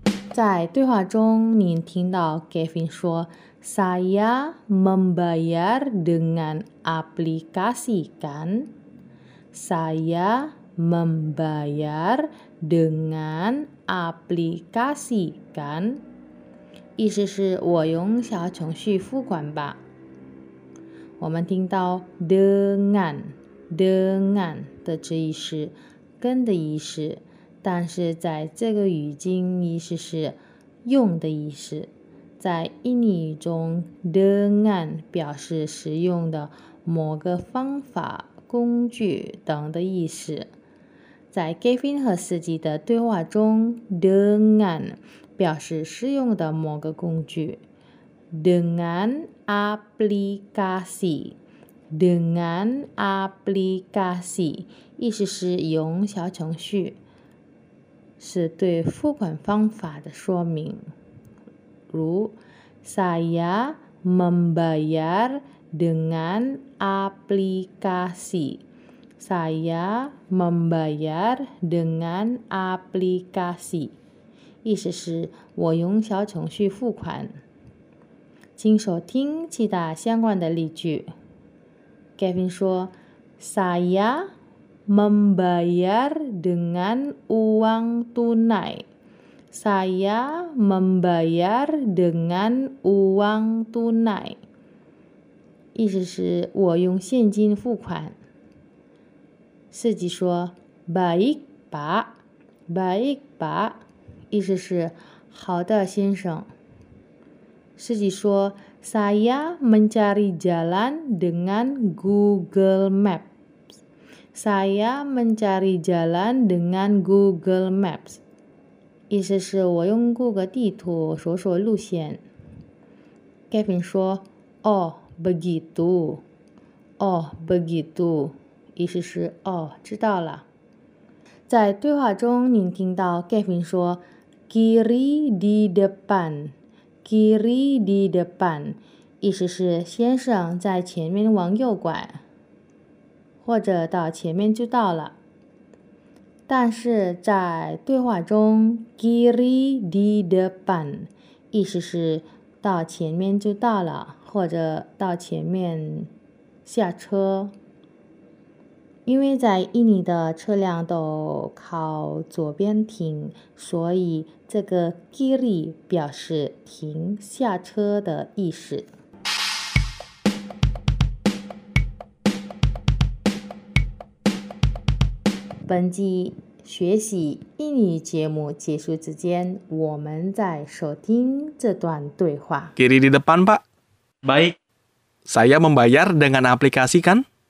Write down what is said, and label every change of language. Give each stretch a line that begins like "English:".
Chinese: 在对话中你听到 Kevin 说
Indonesian: Saya membayar dengan aplikasi kan? Saya membayar dengan aplikasi kan?
Chinese: 意思是我用小程序付款吧。我们听到 dengan dengan 的这意思跟的意思，但是在这个语境意思是用的意思。在印尼语中 dengan 表示使用的某个方法、工具等的意思。在 Kevin 和司机的对话中 dengan 表示使用的某个工具。
Indonesian: dengan aplikasi dengan aplikasi
Chinese: 意思是用小程序，是对付款方法的说明。如
Indonesian: Saya membayar dengan aplikasi
Chinese: Saya membayar dengan aplikasi 意思是我用小程序付款。请收听其他相关的例句。
Indonesian: Kevin 说 SayaMembayar dengan uang tunai. Saya membayar dengan uang tunai.
Chinese: 意思是我用现金付款。司机说
Indonesian: Baik, Pak. Baik, Pak.
Chinese: 意思是好的先生。
Indonesian: Siji suo, saya mencari jalan dengan Google Maps. Saya mencari jalan dengan Google Maps.
Chinese: 意思是我用谷歌地图搜索路线。
Indonesian: Kevin 说 ：“Oh, begitu. Oh, begitu.
Chinese: 意思是哦，知道了。” 在对话中，您听到 Kevin 说 ：
Indonesian: “Kiri di depan, kiri di depan。”
Chinese: 意思是先生在前面往右拐，或者到前面就到了。但是在对话中 ，
Indonesian: kiri di depan，
Chinese: 意思是到前面就到了，或者到前面下车。因为在印尼的车辆都靠左边停，所以这个 kiri 表示停下车的意思。本集学习印尼节目结束之间，我们再收听这段对话。
Indonesian: Kiri di depan, Pak. Baik. Saya membayar dengan aplikasi, kan?